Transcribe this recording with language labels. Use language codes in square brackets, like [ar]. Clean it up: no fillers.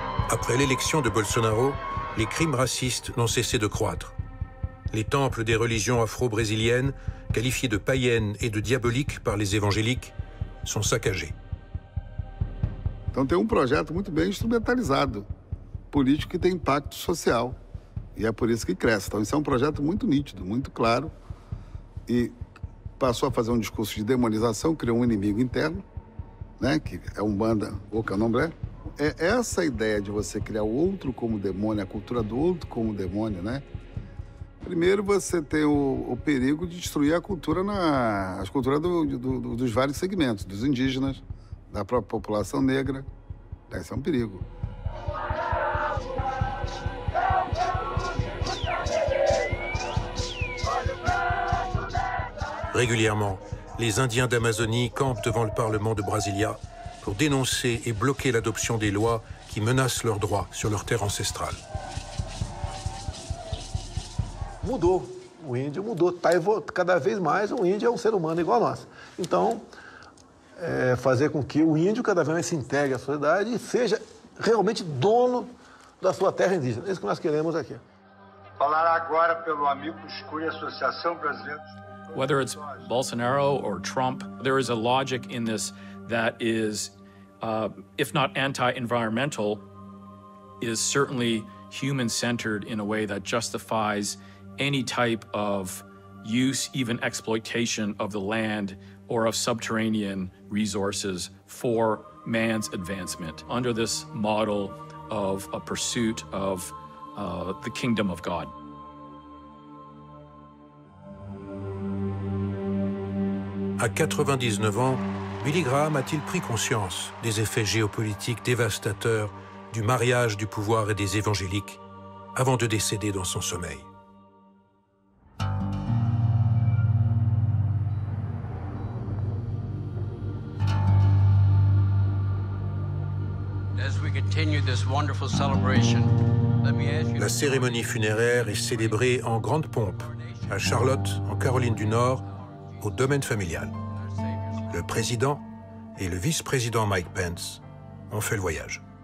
[fr] Après l'élection de Bolsonaro, les crimes racistes n'ont cessé de croître. Les temples des religions afro-brésiliennes, qualifiés de païennes et de diaboliques par les évangéliques, sont saccagés. [pt] Então tem um projeto muito bem instrumentalizado, político que tem impacto social, e é por isso que cresce. Então isso é um projeto muito nítido, muito claro, e passou a fazer um discurso de demonização, criou um inimigo interno, né, que é um banda ou candomblé. É essa ideia de você criar o outro como demônio, a cultura do outro como demônio, né? Primeiro você tem o perigo de destruir a cultura as culturas dos vários segmentos, dos indígenas, da própria população negra. Esse é um perigo. [fr] Régulièrement, les Indiens d'Amazonie campent devant le Parlement de Brasilia pour dénoncer et bloquer l'adoption des lois qui menacent leurs droits sur leur terre ancestrale. [pt] Mudou. O índio mudou. Tá evoluindo. Cada vez mais o índio é um ser humano igual a nós. Então, fazer com que o índio cada vez mais se integre à sociedade e seja realmente dono da sua terra indígena. É isso que nós queremos aqui. Falar agora pelo amigo Escuro e Associação Brasileira. [en] Whether it's Bolsonaro or Trump, there is a logic in this that is, if not anti-environmental, is certainly human-centered in a way that justifies any type of use, even exploitation of the land or of subterranean resources for man's advancement under this model of a pursuit of the kingdom of God. [fr] À 99 ans, Billy Graham a-t-il pris conscience des effets géopolitiques dévastateurs du mariage du pouvoir et des évangéliques avant de décéder dans son sommeil? [en] As we continue this wonderful celebration, let me ask you... [fr] La cérémonie funéraire est célébrée en grande pompe à Charlotte, en Caroline du Nord, au domaine familial. Le président et le vice-président Mike Pence ont fait le voyage.